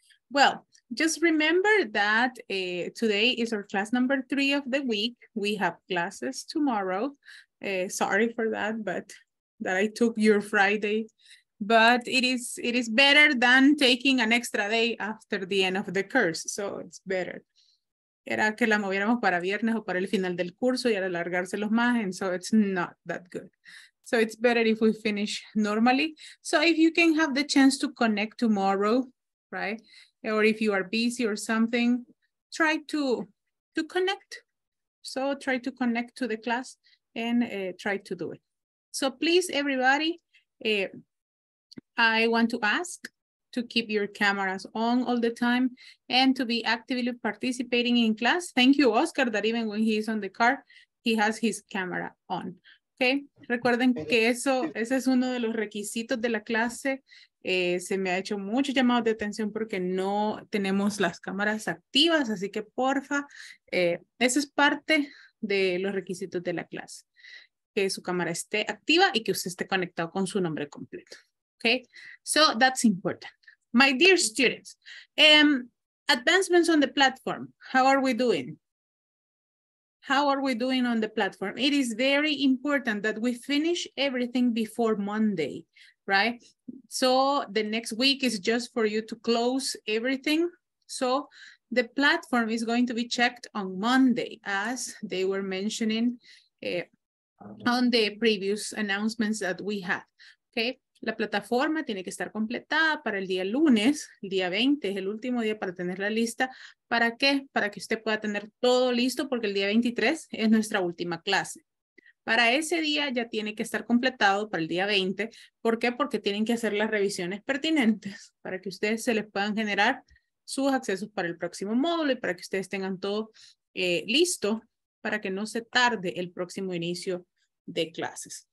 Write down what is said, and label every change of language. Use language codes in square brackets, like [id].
[en] Well, just remember that today is our class number 3 of the week. We have classes tomorrow. Sorry for that, but that I took your Friday, but it is better than taking an extra day after the end of the course. So it's better. [es] Era que la moviéramos para viernes o para el final del curso y alargárselos más. [en] And so it's not that good. So it's better if we finish normally. So if you can have the chance to connect tomorrow, right? Or if you are busy or something, try to connect. So try to connect to the class and try to do it. So please, everybody, I want to ask to keep your cameras on all the time and to be actively participating in class. Thank you, Oscar, that even when he is on the car, he has his camera on. Okay. [es] Recuerden que ese es uno de los requisitos de la clase. Se me ha hecho mucho llamado de atención porque no tenemos las cámaras activas. Así que, porfa, ese es parte de los requisitos de la clase. Que su cámara esté activa y que usted esté conectado con su nombre completo. [en] Okay, so that's important. My dear students, advancements on the platform. How are we doing? How are we doing on the platform? It is very important that we finish everything before Monday, right? So the next week is just for you to close everything. So the platform is going to be checked on Monday, as they were mentioning on the previous announcements that we had, okay? [es] La plataforma tiene que estar completada para el día lunes, el día 20 es el último día para tener la lista. ¿Para qué? Para que usted pueda tener todo listo, porque el día 23 es nuestra última clase. Para ese día ya tiene que estar completado para el día 20. ¿Por qué? Porque tienen que hacer las revisiones pertinentes para que ustedes se les puedan generar sus accesos para el próximo módulo y para que ustedes tengan todo listo para que no se tarde el próximo inicio de clases.